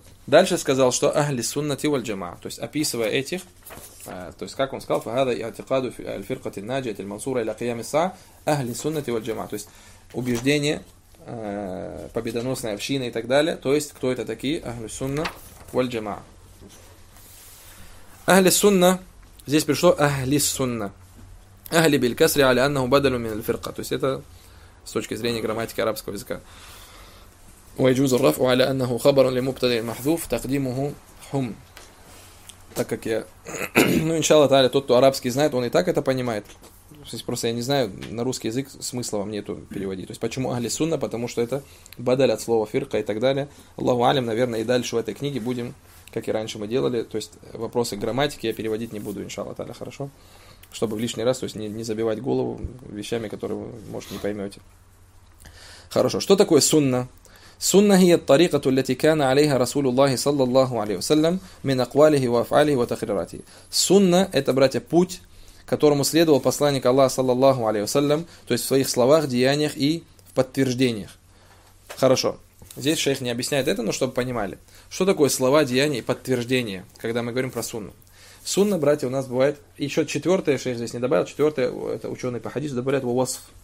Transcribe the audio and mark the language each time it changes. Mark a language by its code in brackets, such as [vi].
[ru] Дальше сказал, что ахли суннати валь джамаа, то есть описывая этих, то есть как он сказал, фахада иатикаду аль фиркати наджиати аль мансура иля кьями са, ахли суннати валь джамаа, то есть убеждение, победоносная община и так далее, то есть кто это такие, ахли сунна валь джамаа. Ахли сунна, здесь пришло ахли сунна, ахли биль касри аля аннаху бадалу мин аль фирка, то есть это с точки зрения грамматики арабского языка. [ar] ويجوز الرفع على أنه خبر لمبتدئ محذوف تقديمه هم. [ru] Так как я, ну, иншаллах тааля, тот, кто арабский знает, он и так это понимает. То есть просто я не знаю, на русский язык смысла вам нету переводить. То есть почему ахли сунна? Потому что это бадаль от слова фирка и так далее. Аллаху алим, наверное, и дальше в этой книге будем, как и раньше мы делали, то есть вопросы грамматики я переводить не буду, иншаллах тааля, хорошо? Чтобы в лишний раз, то есть не забивать голову вещами, которые вы, может, не поймете. Хорошо, что такое сунна? [ar] سنة هي الطريقة التي كان عليها رسول الله صلى الله عليه وسلم من أقواله وأفعاله وتقريراته. [ru] سنة это, братья, путь, которому следовал посланник Аллаха صلى الله عليه وسلم, то есть в своих словах, деяниях и в подтверждениях. Хорошо. Здесь шейх не объясняет это, но чтобы понимали. Что такое слова, деяния и подтверждения, когда мы говорим про сунну? Сунна, братья, у нас бывает... Еще четвертое шейх здесь не добавил. Четвертое, это ученые по хадису добавляют вусф.